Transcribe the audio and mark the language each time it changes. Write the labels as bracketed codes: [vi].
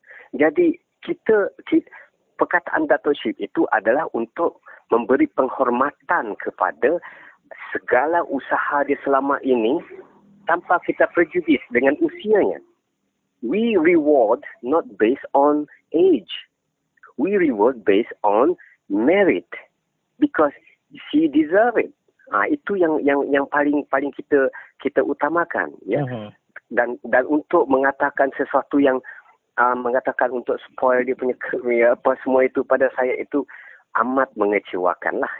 [ms] Jadi kita perkataan datukship itu adalah untuk memberi penghormatan kepada segala usaha dia selama ini tanpa kita prejudis dengan usianya. [en] We reward not based on age. We reward based on merit because she deserve it. [ms] Itu yang paling kita utamakan, ya. Dan untuk mengatakan sesuatu yang mengatakan untuk spoil dia punya career apa semua itu, pada saya itu amat mengecewakan lah.